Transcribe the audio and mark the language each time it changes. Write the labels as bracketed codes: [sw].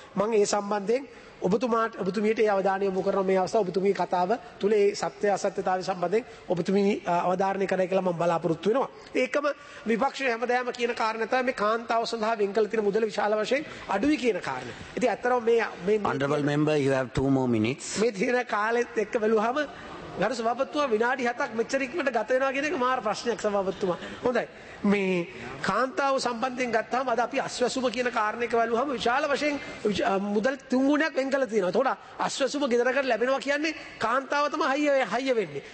[si] මම ඒ සම්බන්ධයෙන් ඔබතුමාට ඔබතුමියට ඒ අවධානය යොමු කරන මේ අවස්ථාව ඔබතුමිය කතාව තුල ඒ සත්‍ය අසත්‍යතාවය සම්බන්ධයෙන් ඔබතුමිය අවධාරණය කරයි කියලා මම බලාපොරොත්තු වෙනවා. ඒකම විපක්ෂයේ හැමදාම කියන කාරණා තමයි මේ කාන්තාව සඳහා වෙන් කළ තියෙන මුදල විශාල වශයෙන් අඩුයි කියන කාරණේ. ඉතින් අත්‍තරම මේ [en] මේ honorable member you have 2 more minutes. [si] මේ තියෙන කාලෙත් එක්ක බලුවහම ගරු සභාපතිතුමා විනාඩි 7ක් මෙච්චර ඉක්මනට ගත වෙනවා කියන එක මාර ප්‍රශ්නයක් සභාපතිතුමා. හොඳයි. මේ කාන්තාව සම්බන්ධයෙන් ගත්තාම අද අපි අස්වැසුම කියන කාරණේක බලුවහම විශාල වශයෙන් මුදල් තුන් ගුණයක් වෙන් කළ තියෙනවා. එතකොට අස්වැසුම ගෙදරකට ලැබෙනවා කියන්නේ කාන්තාව තමයි හයිය වෙන්නේ.